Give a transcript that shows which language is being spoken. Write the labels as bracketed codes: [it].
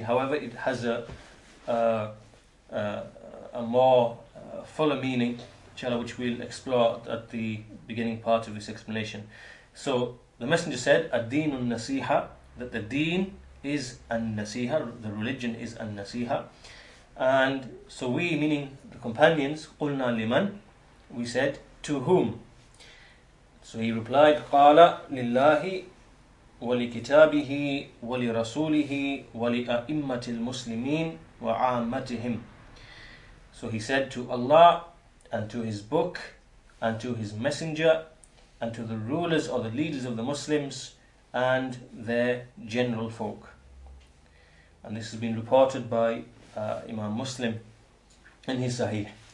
[en] However, it has a more fuller meaning, inshallah, which we'll explore at the beginning part of this explanation. So the Messenger said, ad-deen al-nasiha, that the deen is an-nasiha, the religion is an-nasiha. And so we, meaning the companions, [ar] قُلْنَا لِمَن, [en] we said, to whom? So he replied, [ar] قَالَ لِلَّهِ وَلِكِتَابِهِ وَلِرَسُولِهِ وَلِأَئِمَّةِ الْمُسْلِمِينَ وَعَامَّتِهِمْ. [en] So he said, to Allah, and to His Book, and to His Messenger, and to the rulers or the leaders of the Muslims, and their general folk. And this has been reported by Imam Muslim in his Sahih.